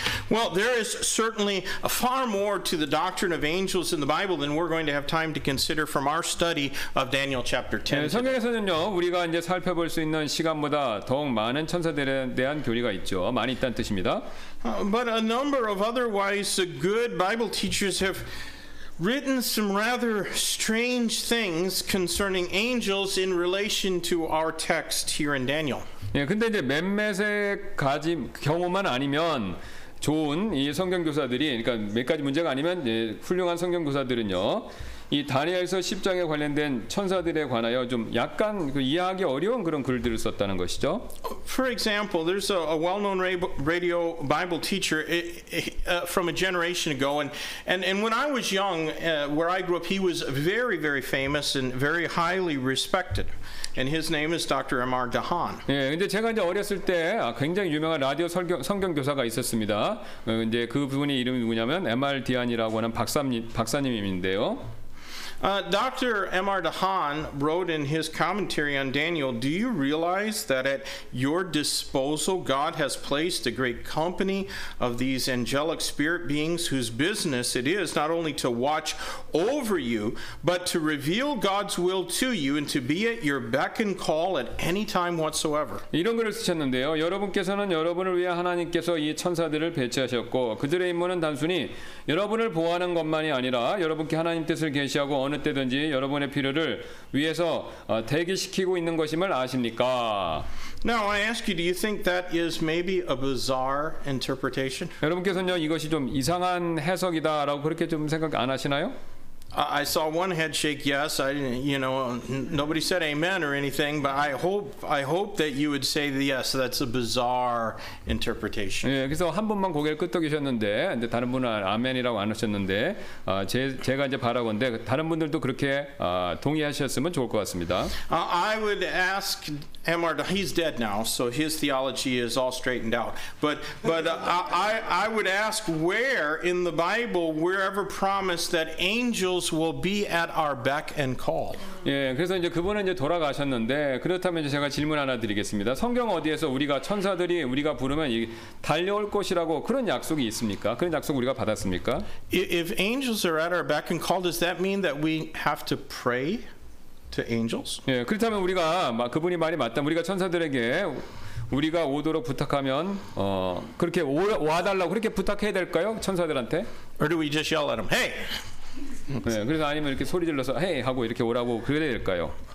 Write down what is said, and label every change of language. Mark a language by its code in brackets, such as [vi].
[en] Well, there is certainly far more to the doctrine of angels in the Bible than we're going to have time to consider from our study of Daniel chapter 10. [ko] 성경에서는요, 우리가 이제 살펴볼 수 있는 시간보다 더욱 많은 천사들에 대한 교리가 있죠. 많이 있다는 뜻입니다. [en] But a number of otherwise good Bible teachers have written some rather strange things concerning angels in relation to our text here in Daniel. [ko] 예, 근데 이제 몇몇의 가지 경우만 아니면 좋은 이 성경 교사들이, 그러니까 몇 가지 문제가 아니면 예, 훌륭한 성경 교사들은요, 이 다니엘서 10장에 관련된 천사들에 관하여 좀 약간 그 이해하기 어려운 그런 글들을 썼다는 것이죠. [en] For example, there's a well-known radio Bible teacher from a generation ago, and when I was young, where I grew up, he was very, very famous and very highly respected. And his name is Dr. M.R. Dahan. [ko] 예, 근데 제가 이제 어렸을 때 굉장히 유명한 라디오 성경 교사가 있었습니다. 이제 그분의 이름이 뭐냐면 M.R. Dahan이라고 하는 박사님인데요. [en] Dr. M.R. Dahan wrote in his commentary on Daniel, Do you realize that at your disposal God has placed a great company of these angelic spirit beings whose business it is not only to watch over you, but to reveal God's will to you and to be at your beck and call at any time whatsoever? [ko] 이런 글을 쓰셨는데요. 여러분께서는 여러분을 위해 하나님께서 이 천사들을 배치하셨고 그들의 임무는 단순히 여러분을 보호하는 것만이 아니라 여러분께 하나님 뜻을 계시하고 어느 때든지 여러분의 필요를 위해서 대기시키고 있는 것임을 아십니까? [en] Now I ask you, do you think that is maybe a bizarre interpretation? [ko] 여러분께서는요, 이것이 좀 이상한 해석이다라고 그렇게 좀 생각 안 하시나요? [en] I saw one head shake yes. I, you know, nobody said amen or anything, but I hope that you would say the yes. That's a bizarre interpretation. [ko] 예, 그래서 한 분만 고개를 끄덕이셨는데, 이제 다른 분은 아멘이라고 안 하셨는데, 제가 이제 바라건데 다른 분들도 그렇게 동의하셨으면 좋을 것 같습니다. [en] I would ask M.R. Dahan. He's dead now, so his theology is all straightened out. But I would ask where in the Bible we're ever promised that angels will be at our beck and call. [ko] 예, 그래서 이제 그분은 이제 돌아가셨는데 그렇다면 이제 제가 질문 하나 드리겠습니다. 성경 어디에서 우리가 천사들이 우리가 부르면 달려올 것이라고 그런 약속이 있습니까? 그런 약속 우리가 받았습니까? [en] If angels are at our beck and call, does that mean that we have to pray? To angels? [ko] 예, 그렇다면 우리가 그분이 말이 맞다. 우리가 천사들에게 우리가 오도록 부탁하면 그렇게 와 달라고 그렇게 부탁해야 될까요? 천사들한테? [en] Or do we just yell at them? Hey. [ko] 예, 그래서 아니면 이렇게 소리 질러서 헤이 hey! 하고 이렇게 오라고 그래야 될까요?